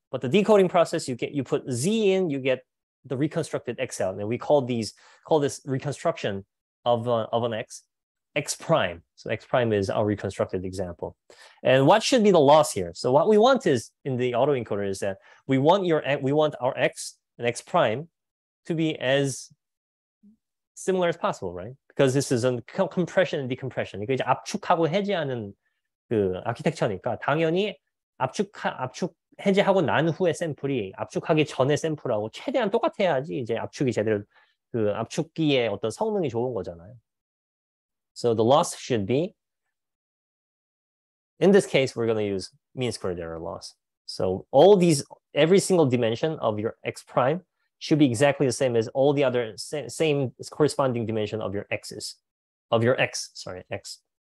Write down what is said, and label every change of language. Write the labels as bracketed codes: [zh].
[en] But the decoding process, you put Z in, you get the reconstructed X out, and we call this reconstruction of an X, X prime. So X prime is our reconstructed example. And what should be the loss here? So what we want is in the autoencoder is that we want our X and X prime to be as similar as possible, right? Because this is a compression and decompression. [ko] 이게 이제 압축하고 해제하는 그 아키텍처니까 당연히 압축 해제하고 난 후에 샘플이 압축하기 전에 샘플하고 최대한 똑같아야지 이제 압축이 제대로 그 압축기의 어떤 성능이 좋은 거잖아요. [en] So the loss should be, in this case, we're going to use mean squared error loss. So all these, every single dimension of your X prime should be exactly the same as all the other same corresponding dimension of your X's, of your X, sorry, X.